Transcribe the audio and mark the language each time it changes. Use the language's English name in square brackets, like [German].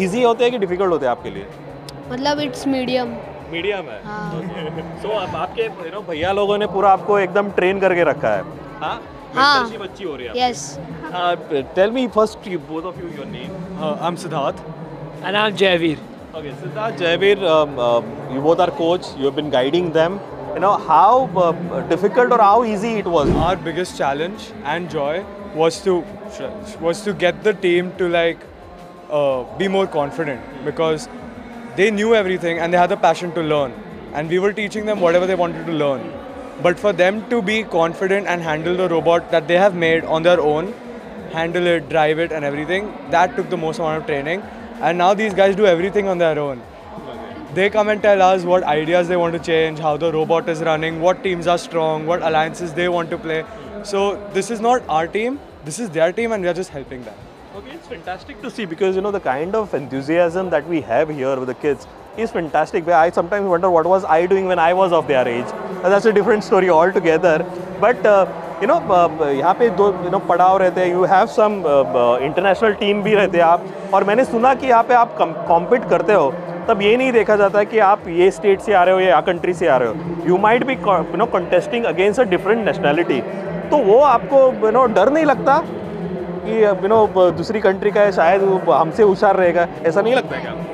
[Hindi] Easy होते हैं कि डिफिकल्ट होते हैं आपके लिए? मतलब [English] It's medium. [Hindi] मीडियम है। हाँ। तो आपके भैया लोगों ने पूरा आपको एकदम ट्रेन करके रखा है। हाँ, बच्ची हो रही है। Yes. [English] Tell me first both of you your name. I am Siddharth. And I am Jayveer. Okay, Siddharth, Jayveer, you both are coach, you have been guiding them. You know, how difficult or how easy it was? Our biggest challenge and joy was to get the team to like be more confident, because they knew everything and they had the passion to learn. And we were teaching them whatever they wanted to learn. But for them to be confident and handle the robot that they have made on their own, handle it, drive it and everything, that took the most amount of training. And now these guys do everything on their own. They come and tell us what ideas they want to change, how the robot is running, what teams are strong, what alliances they want to play. So this is not our team, this is their team, and we are just helping them. Okay, it's fantastic to see, because you know the kind of enthusiasm that we have here with the kids is fantastic. I sometimes wonder what was I doing when I was of their age. That's a different story altogether. But you know, [Hindi] यहाँ पे दो you know पढ़ाव रहते हैं, [English] you have some international team [Hindi] भी रहते हैं आप, और मैंने सुना कि यहाँ पे आप कॉम्पिट करते हो, तब ये नहीं देखा जाता है कि आप ये स्टेट से आ रहे हो या कंट्री से आ रहे हो, [English] you might be you know contesting against a different nationality, [Hindi] तो वो आपको यू नो डर नहीं लगता कि यू नो दूसरी कंट्री का है शायद हमसे होशियार रहेगा, ऐसा नहीं लगता है क्या?